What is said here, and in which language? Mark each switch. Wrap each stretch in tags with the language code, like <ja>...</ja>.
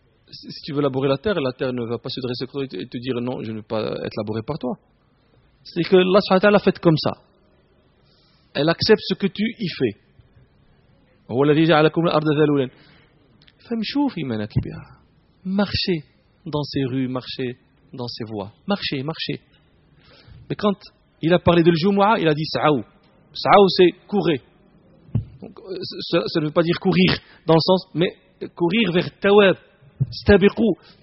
<fr>si tu veux labourer la terre ne va pas se dresser contre toi et te dire non, je ne veux pas être labouré par toi. C'est que Allah subhanahu wa ta'ala l'a faite comme ça. Elle accepte ce que tu y fais.</fr> <ar>هو الذي جعلكم الأرض ذلولا فامشوا في مناكبها.</ar> <fr>Marchez dans ces rues, marchez dans ces voies, marchez, marchez. Mais quand il a parlé de Jumu'ah, il a dit sa'ou. Sa'ou, c'est courir. Donc, ça ne veut pas dire courir dans le sens, mais courir vers Tawab, Stabiqou.</fr>